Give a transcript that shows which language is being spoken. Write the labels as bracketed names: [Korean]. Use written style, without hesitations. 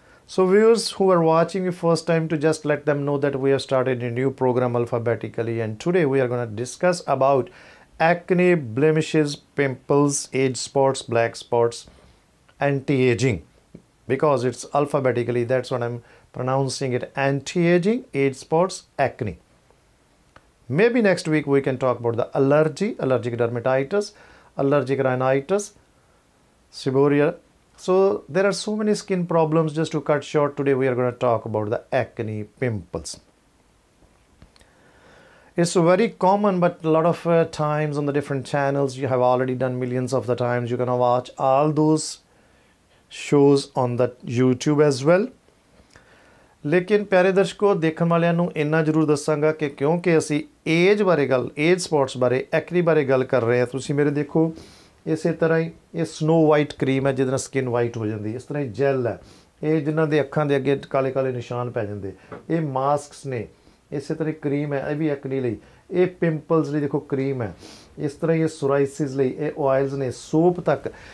[English] So viewers who are watching first time, to just let them know that we have started a new programme alphabetically, and today we are going to discuss about acne, blemishes, pimples, age spots, black spots, anti ageing, because it's alphabetically, that's what am pronouncing it, anti ageing, age spots, acne. Maybe next week we can talk about the allergy, allergic dermatitis, allergic rhinitis, seborrhea. So there are so many skin problems. Just to cut short, today we are going to talk about the acne, pimples. It's very common, but a lot of times on the different channels, you have already done millions of the times, you're going to watch all those shows on the YouTube as well. [Punjabi] ਲੇਕਿਨ ਪਿਆਰੇ ਦਰਸ਼ਕੋ, ਦੇਖਣ ਵਾਲਿਆਂ ਨੂੰ ਇੰਨਾ ਜ਼ਰੂਰ ਦੱਸਾਂਗਾ ਕਿ ਕਿਉਂਕਿ ਅਸੀਂ ਏਜ ਬਾਰੇ ਗੱਲ, ਏਜ ਸਪੋਟਸ ਬਾਰੇ, ਐਕਨੀ ਬਾਰੇ ਗੱਲ ਕਰ ਰਹੇ ਹਾਂ, ਤੁਸੀਂ ਮੇਰੇ ਦੇਖੋ ਇਸੇ ਤਰ੍ਹਾਂ ਹੀ, ਇਹ ਸਨੋ ਵਾਈਟ ਕਰੀਮ ਹੈ ਜਿਹਦੇ ਨਾਲ ਸਕਿਨ ਵਾਈਟ ਹੋ ਜਾਂਦੀ, ਇਸ ਤਰ੍ਹਾਂ ਹੀ ਜੈੱਲ ਹੈ, ਇਹ ਜਿਹਨਾਂ ਦੇ ਅੱਖਾਂ ਦੇ ਅੱਗੇ ਕਾਲੇ ਕਾਲੇ ਨਿਸ਼ਾਨ ਪੈ ਜਾਂਦੇ, ਇਹ ਮਾਸਕਸ ਨੇ, ਇਸੇ ਤਰ੍ਹਾਂ ਹੀ ਕਰੀਮ ਹੈ, ਇਹ ਵੀ ਐਕਨੀ ਲਈ, ਇਹ ਪਿੰਪਲਸ ਲਈ ਦੇਖੋ ਕਰੀਮ ਹੈ, ਇਸ ਤਰ੍ਹਾਂ ਇਹ ਸੋਰਾਇਸਿਸ ਲਈ, ਇਹ ਓਇਲਸ ਨੇ, ਸੋਪ ਤੱਕ।